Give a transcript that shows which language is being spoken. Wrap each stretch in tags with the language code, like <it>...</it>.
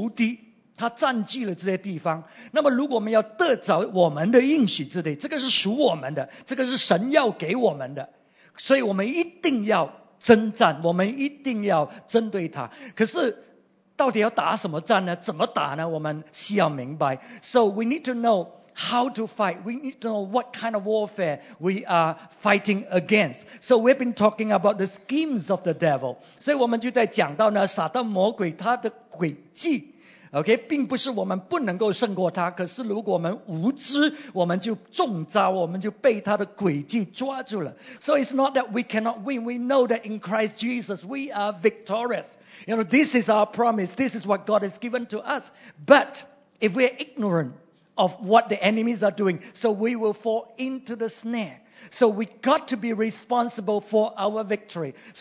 <zh>所以我们知道在这个应许之地呢，我们的仇敌他占据了这些地方。那么如果我们要得着我们的应许之地， 这个是属我们的， 这个是神要给我们的， 所以我们一定要 征战， 我们一定要针对他。可是到底要打什么战呢？怎么打呢？我们需要明白。</zh> <en>So we need to know how to fight. We need to know what kind of warfare we are fighting against. So we've been talking about the schemes of the devil.</en> <zh>所以我们就在讲到呢， 撒旦魔鬼他的诡计。 Okay, 并不是我们不能够胜过他， 可是如果我们无知， 我们就中招， 我们就被他的诡计抓住了。</zh> <en>So it's not that we cannot win. We know that in Christ Jesus we are victorious. You know, this is our promise. This is what God has given to us. But if we are ignorant of what the enemies are doing, so we will fall into the snare. So we got to be responsible for our victory.</en>